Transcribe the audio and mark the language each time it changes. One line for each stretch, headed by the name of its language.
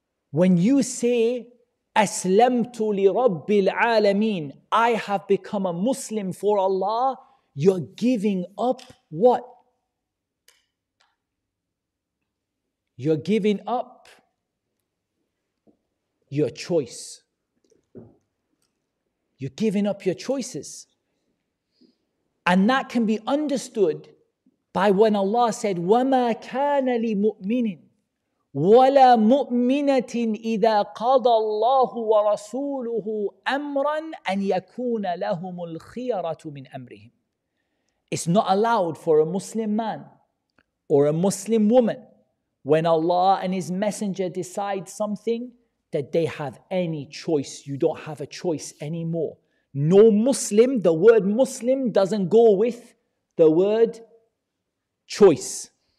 English: When you say,
Arabic: أَسْلَمْتُ لِرَبِّ الْعَالَمِينَ,
English: I have become a Muslim for Allah, you're giving up what? You're giving up your choice. You're giving up your choices.
Arabic: And that can be understood by when Allah said, وَمَا كَانَ لِمُؤْمِنٍ وَلَا مُؤْمِنَةٍ إِذَا قَضَى اللَّهُ وَرَسُولُهُ أَمْرًا أَنْ يَكُونَ لَهُمُ الْخِيَرَةُ مِنْ أَمْرِهِمْ.
English: It's not allowed for a Muslim man or a Muslim woman when Allah and His Messenger decide something that they have any choice. You don't have a choice anymore. No Muslim, the word Muslim doesn't go with the word choice.